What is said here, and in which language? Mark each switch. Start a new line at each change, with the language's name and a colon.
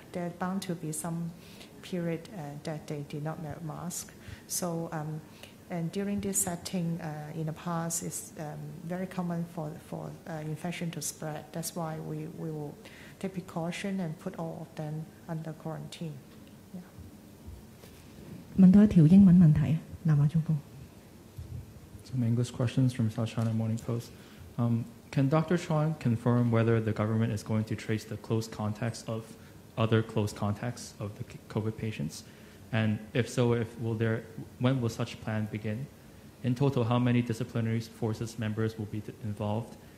English: There are bound to be some period that they did not wear masks. So, and during this setting in the past, it's very common for infection to spread. That's why we will take precaution and put all of them under quarantine. Yeah.
Cantonese: 問多一條英文問題，南華中報。
English: Some English questions from South China Morning Post. Can Dr. Chuan confirm whether the government is going to trace the close contacts of other close contacts of the COVID patients? And if so, when will such plan begin? In total, how many disciplinary forces members will be involved?